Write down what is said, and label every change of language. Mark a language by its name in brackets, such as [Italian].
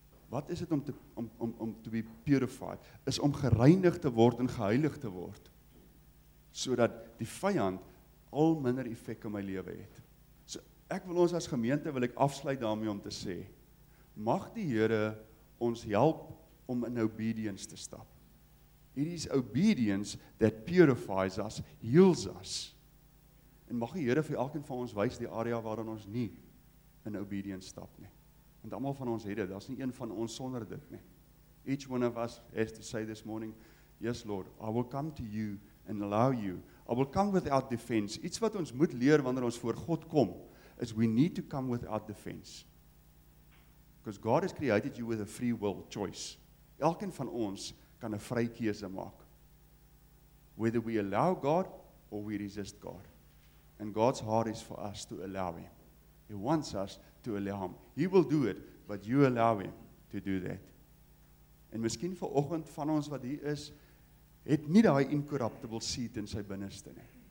[Afrikaans] Wat is dit om [English] to be purified? [Afrikaans] Is om gereinig te word en geheilig te word, sodat die vijand al minder effek in my lewe het. So ek wil ons as gemeente, wil ek afsluit daarmee om te sê, mag die Here ons help om in obedience te stap. [English] It is obedience that purifies us, heals us. [Afrikaans] En mag die Here vir elkeen van ons wys die area waarin ons nie in obedience stap nie. Want almal van ons het dit, daar's nie een van ons sonder dit nie. [English] Each one of us has to say this morning, yes Lord, I will come to you and allow you. I will come without defense. [Afrikaans] Iets wat ons moet leer wanneer ons voor God kom, [English] is we need to come without defense. Because God has created you with a free will choice. [Afrikaans] Elkeen van ons kan 'n vrye keuse maak. [English] Whether we allow God or we resist God. And God's heart is for us to allow him. He wants us to allow him. He will do it, but you allow him to do that. [Afrikaans] En miskien vanoggend van ons wat hier is, het nie daai [English] incorruptible seed [Afrikaans] in sy binneste nie.